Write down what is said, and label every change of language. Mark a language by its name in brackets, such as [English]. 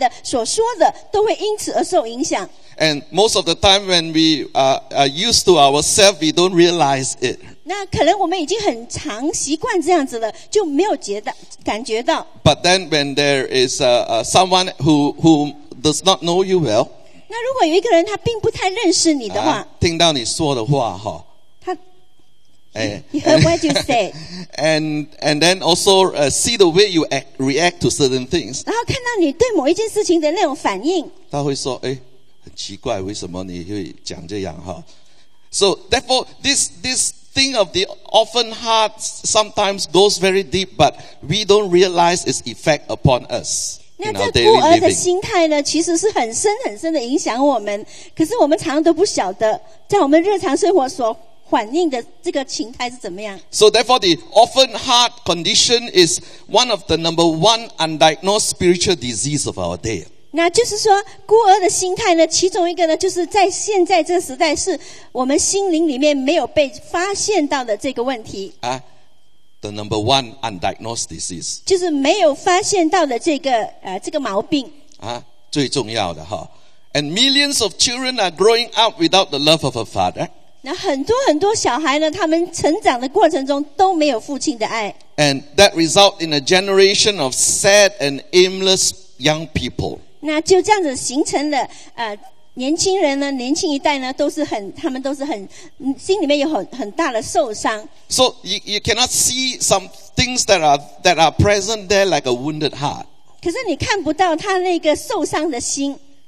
[Chinese] 那你所想的和你所行出来的所说的都会因此而受影响。 [English] And most of the time when we are used to ourselves, we don't realize it. [Chinese] 那可能我们已经很常习惯这样子了,就没有觉得感觉到。 [English] But then when there is someone who does not know you well, [Chinese] 那如果有一个人他并不太认识你的话, 听到你说的话, 他, [English] you heard what you said. And then also see the way you react to certain things. [Chinese] 然后看到你对某一件事情的那种反应, 他会说, 诶, 很奇怪, 为什么你会讲这样, 哈? [English] So therefore, this thing of the orphan heart sometimes goes very deep, but we don't realize its effect upon us. [Chinese] 那这孤儿的心态呢其实是很深很深的影响我们可是我们常常都不晓得在我们日常生活所反应的这个情态是怎么样。 [English] So therefore, the orphan heart condition is one of the number one undiagnosed spiritual disease of our day. [Chinese] 那就是说，孤儿的心态呢，其中一个呢，就是在现在这个时代，是我们心灵里面没有被发现到的这个问题。 [English] The number one undiagnosed disease. [Chinese] 就是没有发现到的这个毛病。最重要的哈。 [English] And millions of children are growing up without the love of a father. [Chinese] 那很多很多小孩呢，他们成长的过程中都没有父亲的爱。 [English] And that results in a generation of sad and aimless young people. [Chinese] 那就这样子形成了年轻人呢，年轻一代呢，他们都是很心里面有很大的受伤。 [English] So you cannot see some things that are present there like a wounded heart. [Chinese] 可是你看不到他那个受伤的心。